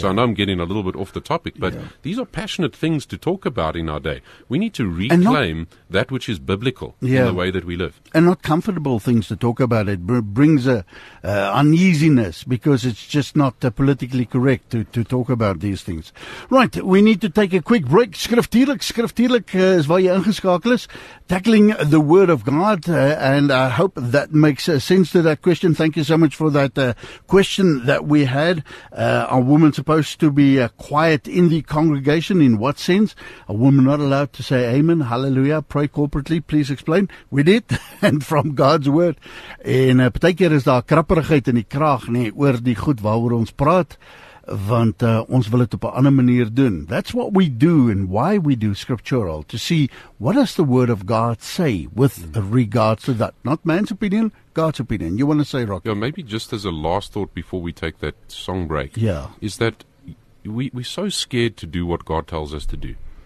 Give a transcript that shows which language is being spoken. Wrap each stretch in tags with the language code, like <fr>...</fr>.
<en>So I know I'm getting a little bit off the topic, but these are passionate things to talk about in our day. We need to reclaim that which is biblical in the way that we live. And not comfortable things to talk about. It brings a uneasiness because it's just not politically correct to talk about these things. Right, we need to take a quick break.</en> <af>Skriftierlik is waar jy ingeskakel is.</af> <en>Tackling the Word of God, and I hope that makes sense to that question. Thank you so much for that question that we had. A woman supposed to be quiet in the congregation, in what sense? A woman not allowed to say amen, hallelujah, pray corporately, please explain. We did, and from God's word.</en> <af>En partykeer is daar krapperigheid in die kraag, nie, oor die goed waaroor ons praat, want ons wil het op 'n ander manier doen.</af> <en>That's what we do and why we do scriptural, to see what does the word of God say with regards to that. Not man's opinion, God's opinion. You want to say, Rocky? Yeah, maybe just as a last thought before we take that song break, is that we're so scared to do what God tells us to do.</en>